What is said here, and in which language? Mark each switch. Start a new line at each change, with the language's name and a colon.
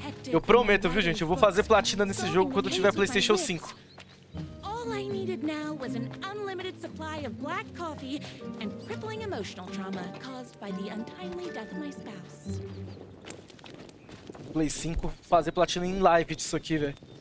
Portuguese: Eu prometo, viu, gente? Eu vou fazer platina nesse jogo quando tiver PlayStation 5.
English: All I needed now was an unlimited supply of black coffee and crippling emotional trauma caused by the untimely death of my spouse.
Portuguese: do Play 5, fazer platina em live disso aqui, velho.